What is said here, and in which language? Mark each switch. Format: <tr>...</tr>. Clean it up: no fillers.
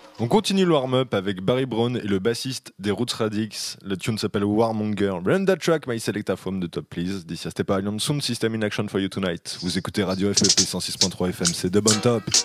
<fr>Continue le warm-up avec Barry Brown et le bassiste des Roots Radix. La tune s'appelle Warmonger.</fr> <en>Run that track, my selector from the top, please.</en> <fr>D'ici à Stepper Alliance,</fr> <en>Sound System in action for you tonight.</en> <fr>Vous écoutez Radio FEP 106.3 FM, c'est Dub on Top.</fr>